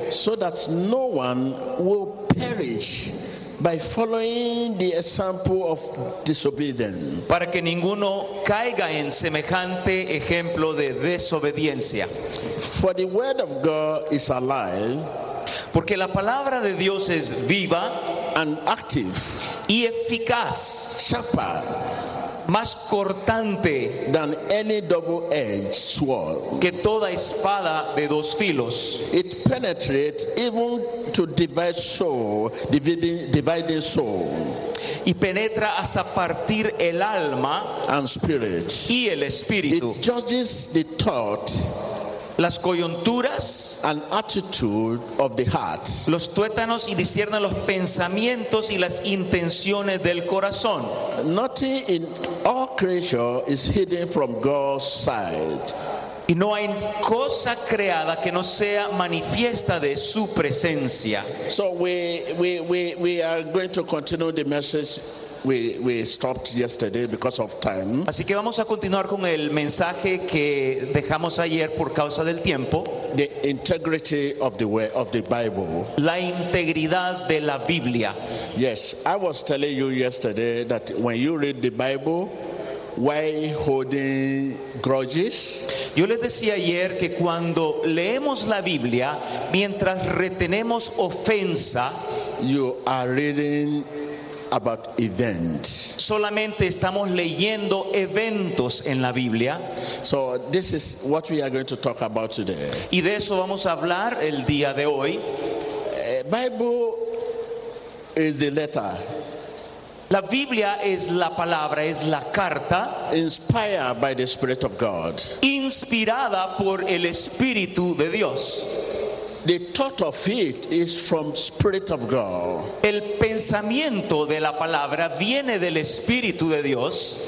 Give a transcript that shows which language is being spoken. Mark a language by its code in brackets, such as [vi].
[en] So that no one will perish by following the example of disobedience. [es] Para que ninguno caiga en semejante ejemplo de desobediencia. [en] For the word of God is alive. [es] Porque la palabra de Dios es viva. [en] And active. [es] y eficaz, [en] sharper, [es] más cortante [en] than any double-edged sword, [es] que toda espada de dos filos. [en] It penetrates even to divide soul, dividing soul, [es] y penetra hasta partir el alma [en] and spirit, [es] y el espíritu. [en] It judges the thought, [es] las coyunturas, [en] and attitude of the heart, [es] los tuétanos, y discierne los pensamientos y las intenciones del corazón. [en] Nothing in all creation is hidden from God's sight, [es] y no hay cosa creada que no sea manifiesta de su presencia. [en] So we are going to continue the message. We stopped yesterday because of time. [es] Así que vamos a continuar con el mensaje que dejamos ayer por causa del tiempo. [en] The integrity of the way of the Bible. [es] La integridad de la Biblia. [en] Yes, I was telling you yesterday that when you read the Bible, why holding grudges? [es] Yo les decía ayer que cuando leemos la Biblia, mientras retenemos ofensa, [en] you are reading about events. [es] Solamente estamos leyendo eventos en la Biblia. [en] So this is what we are going to talk about today. [es] Y de eso vamos a hablar el día de hoy. [en] Bible is the letter. [es] La Biblia es la palabra, es la carta. [en] Inspired by the Spirit of God. [es] Inspirada por el Espíritu de Dios. [en] The thought of it is from Spirit of God. [es] El pensamiento de la palabra viene del Espíritu de Dios.